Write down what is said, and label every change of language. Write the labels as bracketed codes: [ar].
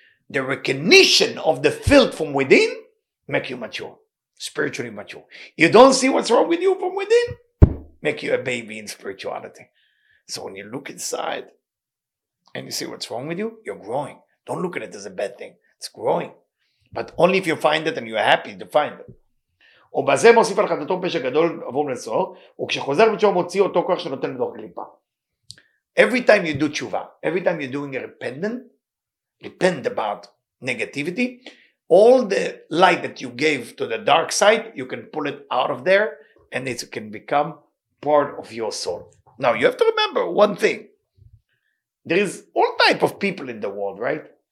[en] The recognition of the filth from within make you mature, spiritually mature. You don't see what's wrong with you from within, make you a baby in spirituality. So when you look inside, and you see what's wrong with you? You're growing. Don't look at it as a bad thing. It's growing. But only if you find it and you're happy to find it. [he] ובזה מוסיף על חטאתו פשע גדול עבור לצור, וכשחוזר בתשובה מוציא אותו כוח שנותן לתוך קליפה. [en] Every time you do תשובה, every time you're doing a repent about negativity, all the light that you gave to the dark side, you can pull it out of there, and it can become part of your soul. Now, you have to remember one thing. There is all type of people in the world, right?